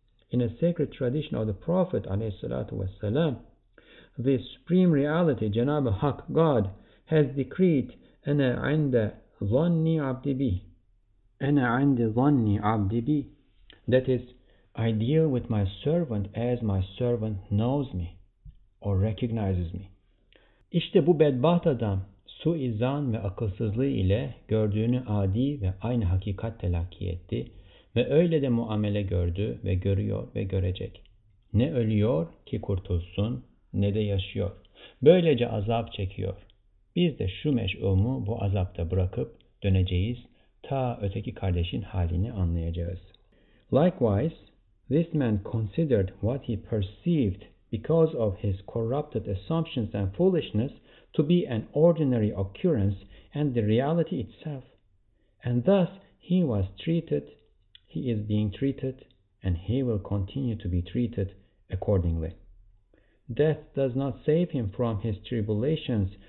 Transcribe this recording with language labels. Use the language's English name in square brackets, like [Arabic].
[English] In a sacred tradition of the Prophet, the supreme reality, Janab Haq God, has decreed, [Arabic] أَنَا عِنْدَ ظَنِّي عَبْدِ بِي [English] أَنَا عِنْدَ ظَنِّي عَبْدِ بِي That is, I deal with my servant as my servant knows me or recognizes me. [Turkish] İşte bu bedbaht adam su-i zan ve akılsızlığı ile gördüğünü adi ve aynı hakikat telakki etti ve öyle de muamele gördü ve görüyor ve görecek. Ne ölüyor ki kurtulsun ne de yaşıyor. Böylece azap çekiyor. Biz de şu meş'umu bu azapta bırakıp döneceğiz ta öteki kardeşin halini anlayacağız. [English] Likewise, this man considered what he perceived because of his corrupted assumptions and foolishness to be an ordinary occurrence and the reality itself. And thus he was treated, he is being treated, and he will continue to be treated accordingly. Death does not save him from his tribulations,